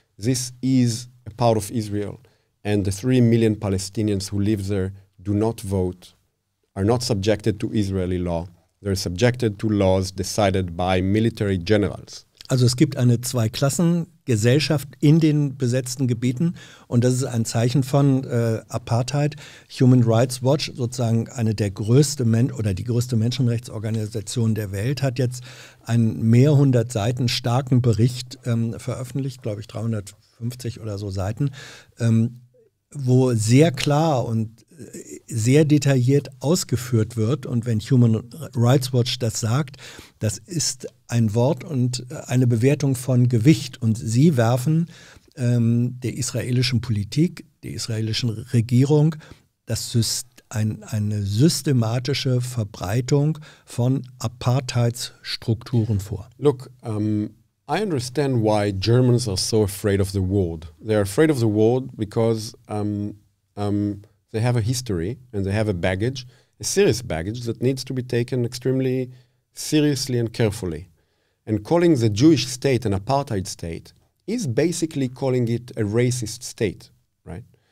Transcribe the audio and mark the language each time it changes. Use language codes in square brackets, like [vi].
[en] This is a part of Israel, and the 3 million Palestinians who live there do not vote, are not subjected to Israeli law. They're subjected to laws decided by military generals. [de] Also es gibt eine Zweiklassengesellschaft in den besetzten Gebieten, und das ist ein Zeichen von Apartheid. Human Rights Watch, sozusagen eine der größten die größte Menschenrechtsorganisation der Welt, hat jetzt einen mehrhundert Seiten starken Bericht veröffentlicht, glaube ich 350 oder so Seiten, wo sehr klar und sehr detailliert ausgeführt wird. Und wenn Human Rights Watch das sagt, das ist ein Wort und eine Bewertung von Gewicht. Und sie werfen der israelischen Politik, der israelischen Regierung, eine systematische Verbreitung von Apartheidsstrukturen vor. [en] Look, I understand why Germans are so afraid of the world. They are afraid of the world because they have a history and they have a baggage, a serious baggage that needs to be taken extremely seriously and carefully. And calling the Jewish state an apartheid state is basically calling it a racist state, right?